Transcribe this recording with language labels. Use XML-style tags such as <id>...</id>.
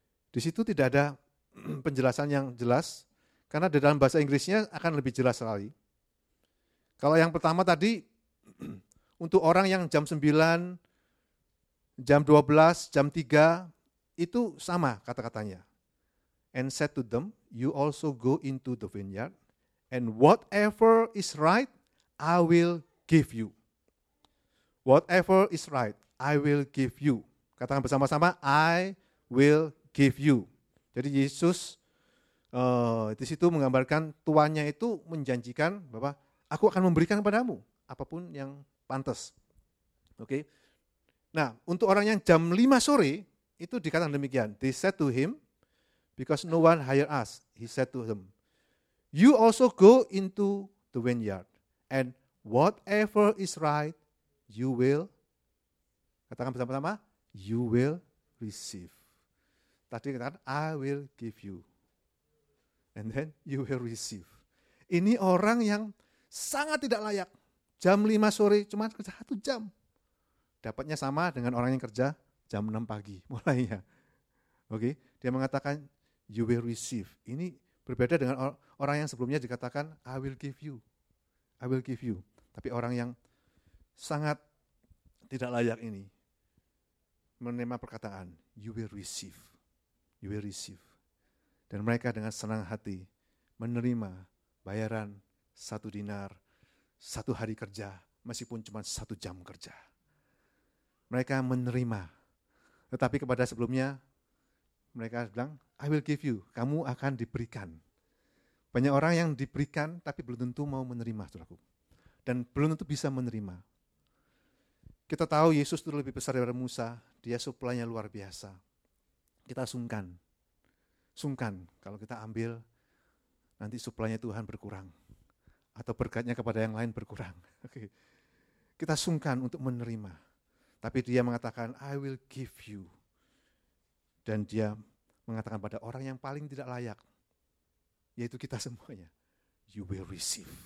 <id>Di situ tidak ada penjelasan yang jelas, karena di dalam bahasa Inggrisnya akan lebih jelas sekali. Kalau yang pertama tadi, untuk orang yang jam 9, jam 12, jam 3, itu sama kata-katanya.</id> <en>And said to them, you also go into the vineyard, and whatever is right, I will give you. Whatever is right, I will give you.</en> <id>Katakan bersama-sama,</id> <en>I will give you.</en> <id>Jadi Yesus di situ menggambarkan tuannya itu menjanjikan, bahwa aku akan memberikan kepadamu apapun yang pantas. Nah, untuk orang yang jam 5 sore, itu dikatakan demikian.</id> <en>They said to him, because no one hired us, he said to them, you also go into the vineyard, and whatever is right, you will,</en> <id>katakan bersama-sama,</id> <en>you will receive.</en> <id>Tadi dikatakan,</id> <en>I will give you. And then you will receive.</en> <id>Ini orang yang sangat tidak layak. Jam 5 sore, cuma kerja 1 jam. Dapatnya sama dengan orang yang kerja jam 6 pagi mulainya. Okay? Dia mengatakan,</id> <en>you will receive.</en> <id>Ini berbeda dengan orang yang sebelumnya dikatakan,</id> <en>I will give you. I will give you.</en> <id>Tapi orang yang sangat tidak layak ini menerima perkataan,</id> <en>you will receive. You will receive.</en> <id>Dan mereka dengan senang hati menerima bayaran 1 dinar, 1 hari kerja, meskipun cuma 1 jam kerja. Mereka menerima. Tetapi kepada sebelumnya, mereka bilang,</id> <en>I will give you,</en> <id>kamu akan diberikan. Banyak orang yang diberikan, tapi belum tentu mau menerima, saudaraku. Dan belum tentu bisa menerima. Kita tahu Yesus itu lebih besar daripada Musa, dia suplainya luar biasa. Kita sungkan. Sungkan kalau kita ambil, nanti suplainya Tuhan berkurang. Atau berkatnya kepada yang lain berkurang. Okay. Kita sungkan untuk menerima. Tapi dia mengatakan,</id> <en>I will give you.</en> <id>Dan dia mengatakan pada orang yang paling tidak layak, yaitu kita semuanya,</id> <en>you will receive.</en>